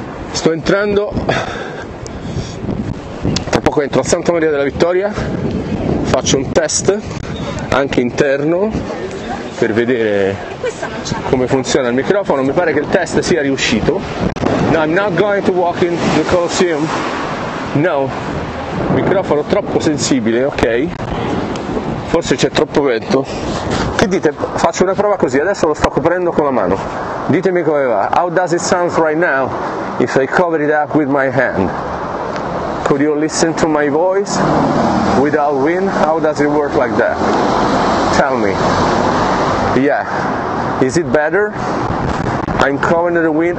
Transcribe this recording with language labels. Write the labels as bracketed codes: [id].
[it] Sto entrando, tra poco entro a Santa Maria della Vittoria, faccio un test anche interno per vedere come funziona il microfono. Mi pare che il test sia riuscito. [en] No, I'm not going to walk in the Colosseum. [it] No. Microfono troppo sensibile, ok. Forse c'è troppo vento. Che dite? Faccio una prova così, adesso lo sto coprendo con la mano. Ditemi come va. [en] How does it sound right now if I cover it up with my hand? Could you listen to my voice without wind? How does it work like that? Tell me. Yeah. Is it better? I'm covering the wind.